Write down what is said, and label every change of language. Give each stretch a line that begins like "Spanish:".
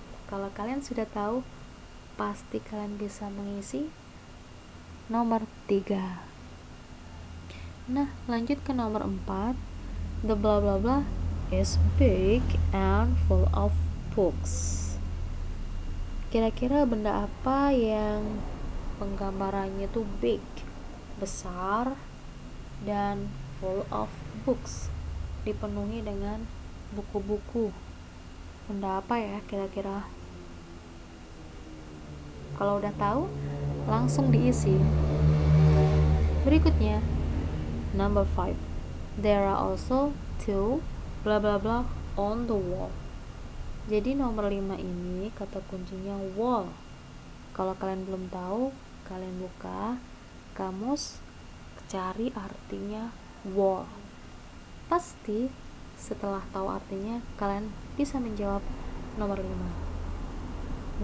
Indonesian: Kalau kalian sudah tahu, pasti kalian bisa mengisi nomor 3. Nah, lanjut ke nomor 4.
English: The blah blah blah is big and full of books.
Indonesian: Kira-kira benda apa yang penggambarannya tuh
English: big,
Indonesian: besar, dan
English: full of books,
Indonesian: dipenuhi dengan buku-buku? Benda apa ya kira-kira? Kalau udah tahu, langsung diisi. Berikutnya,
English: number 5. There are also two blah blah blah on the wall.
Indonesian: Jadi nomor 5 ini kata kuncinya wall. Kalau kalian belum tahu, kalian buka kamus, cari artinya wall. Pasti setelah tahu artinya, kalian bisa menjawab nomor 5.